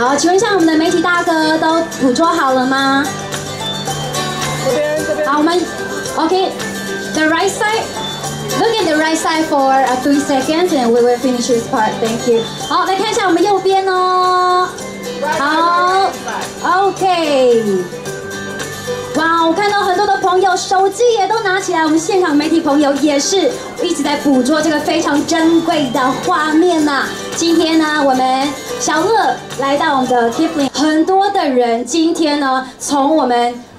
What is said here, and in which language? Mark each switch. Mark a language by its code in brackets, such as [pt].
[zh] 好，请问一下我们的媒体大哥都捕捉好了吗？这边。好，我们 [en] OK, the right side. Look at the right side for a few seconds, and we will finish this part. Thank you. [zh] 好，来看一下我们右边哦。好 ，OK。哇，我看到很多的朋友手机也都拿起来，我们现场媒体朋友也是一直在捕捉这个非常珍贵的画面呐。今天呢，我们小乐来到我们的 Kipling， 很多的人今天呢，从我们。